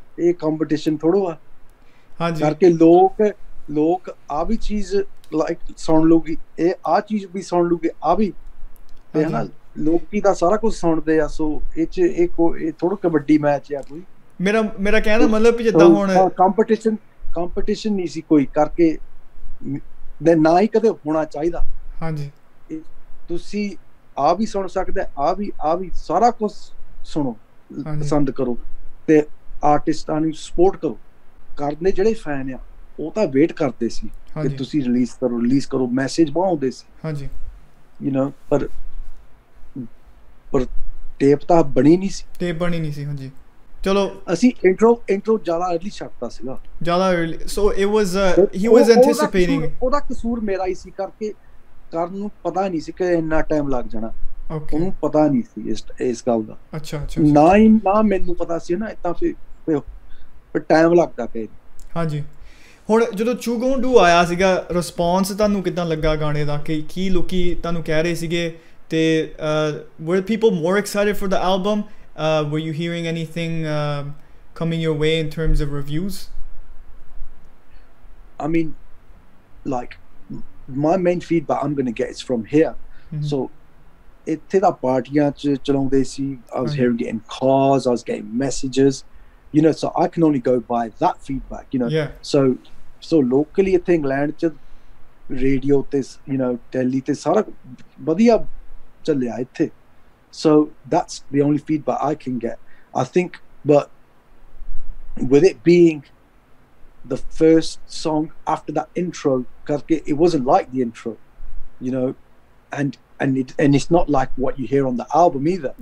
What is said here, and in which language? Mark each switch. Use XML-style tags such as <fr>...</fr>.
<pa>eh competition thodo aa haan ji karke log aa vi cheez like sun logi eh aa cheez vi sun loge aa vi te hai na ਲੋਕੀ ਦਾ ਸਾਰਾ ਕੁਝ ਸੁਣਦੇ ਆ ਸੋ ਇਹ ਚ ਇਹ ਕੋਈ ਥੋੜਾ ਕਬੱਡੀ ਮੈਚ ਆ ਕੋਈ ਮੇਰਾ ਕਹਿਣ ਦਾ ਮਤਲਬ ਵੀ ਜਿੱਦਾਂ ਹੁਣ ਕੰਪੀਟੀਸ਼ਨ ਨਹੀਂ ਸੀ ਕੋਈ ਕਰਕੇ ਦੇ ਨਾ ਹੀ ਕਦੇ ਹੋਣਾ ਚਾਹੀਦਾ ਹਾਂਜੀ ਤੁਸੀਂ ਆ ਵੀ ਸੁਣ ਸਕਦੇ ਆ ਵੀ ਸਾਰਾ ਕੁਝ ਸੁਣੋ ਪਸੰਦ ਕਰੋ ਤੇ ਆਰਟਿਸਟਾਂ ਨੂੰ ਸਪੋਰਟ ਕਰੋ ਕਰਦੇ ਜਿਹੜੇ ਫੈਨ ਆ ਉਹ ਤਾਂ ਵੇਟ ਕਰਦੇ ਸੀ ਕਿ ਤੁਸੀਂ ਰਿਲੀਜ਼ ਕਰੋ ਮੈਸੇਜ ਪਾਉਂਦੇ ਸੀ ਹਾਂਜੀ</pa> <en>you know</en> <pa>ਪਰ ਟੇਪ ਤਾਂ ਬਣੀ ਨਹੀਂ ਸੀ ਹਾਂਜੀ ਚਲੋ ਅਸੀਂ ਇੰਟਰੋ ਜ਼ਿਆਦਾ ਅਰਲੀ ਛੱਡਤਾ ਸੀਗਾ</pa> <en>ਜ਼ਿਆਦਾ early so it was he was anticipating</en> <pa>ਉਹਦਾ ਕਸੂਰ ਮੇਰਾ ਹੀ ਸੀ ਕਰਕੇ ਕਰਨ ਨੂੰ ਪਤਾ ਨਹੀਂ ਸੀ ਕਿ ਇੰਨਾ ਟਾਈਮ ਲੱਗ ਜਾਣਾ ਓਕੇ ਉਹਨੂੰ ਪਤਾ ਨਹੀਂ ਸੀ ਇਸ ਗੱਲ ਦਾ ਅੱਛਾ ਨਾ ਮੈਨੂੰ ਪਤਾ ਸੀ ਨਾ ਇਤਾਂ ਫਿਰ ਟਾਈਮ ਲੱਗਦਾ ਪਿਆ ਹਾਂਜੀ ਹੁਣ ਜਦੋਂ ਚੂਗੋਂਡੂ ਆਇਆ ਸੀਗਾ ਰਿਸਪੌਂਸ ਤੁਹਾਨੂੰ ਕਿੱਦਾਂ ਲੱਗਾ ਗਾਣੇ ਦਾ ਕੀ ਲੋਕੀ ਤੁਹਾਨੂੰ ਕਹਿ ਰਹੇ ਸੀਗੇ</pa> <en>They, were people more excited for the album? Were you hearing anything coming your way in terms of reviews? I mean, like, my main feedback I'm going to get is from here.</en> <pa>So, ਇੱਥੇ ਤਾਂ ਪਾਰਟੀਆਂ ਚ ਚਲਾਉਂਦੇ ਸੀ.</pa> <en>I was hearing it in cars, I was getting messages. You know, so I can only go by that feedback, you know. Yeah. So locally,</en> <pa>ਇੱਥੇ England ਚ radio ਤੇ,</pa> <en>you know,</en> <pa>Delhi ਤੇ ਸਾਰਾ ਵਧੀਆ ਚੱਲਿਆ ਇੱਥੇ</pa> <en>so that's the only feedback I can get I think but with it being the first song after the intro ਕਰਕੇ it wasn't like the intro you know and it's not like what you hear on the album either</en>